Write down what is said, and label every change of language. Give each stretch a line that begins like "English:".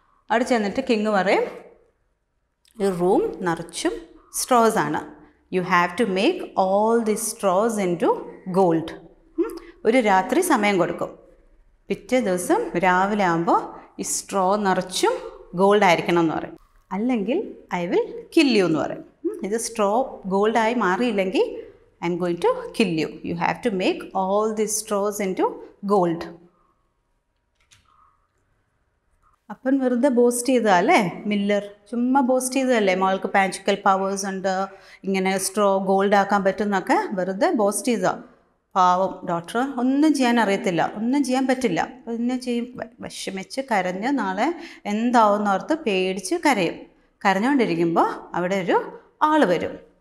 Malayalam: അവിടെ ചെന്നിട്ട് കിങ് പറയും, ഈ റൂം നിറച്ചും സ്ട്രോസ് ആണ്,
English: You have to make all the straws into gold.
Malayalam: ഒരു രാത്രി സമയം കൊടുക്കും, പിറ്റേ ദിവസം രാവിലെ ആകുമ്പോൾ ഈ സ്ട്രോ നിറച്ചും ഗോൾഡ് ആയിരിക്കണം എന്ന് പറയും, അല്ലെങ്കിൽ
English: I will kill you
Malayalam: എന്ന് പറയും. ഇത് straw ഗോൾഡായി മാറിയില്ലെങ്കിൽ
English: I'm going to kill you. You have to make all these straws into gold.
Malayalam: അപ്പൻ വെറുതെ ബോസ്റ്റ് ചെയ്ത അല്ലേ മില്ലർ ചുമ്മാ ബോസ്റ്റ് ചെയ്തതല്ലേ മോൾക്ക് മാജിക്കൽ പവേഴ്സ് ഉണ്ട് ഇങ്ങനെ സ്ട്രോ ഗോൾഡ് ആക്കാൻ പറ്റും എന്നൊക്കെ വെറുതെ ബോസ്റ്റ് ചെയ്ത പാവം ഡോക്ടർ ഒന്നും ചെയ്യാൻ അറിയത്തില്ല ഒന്നും ചെയ്യാൻ പറ്റില്ല പിന്നെ ചെയ്യും വിഷമിച്ച് കരഞ്ഞ് നാളെ എന്താവും എന്നോർത്ത് പേടിച്ച് കരയും കരഞ്ഞുകൊണ്ടിരിക്കുമ്പോൾ അവിടെ ഒരു ആൾ വരും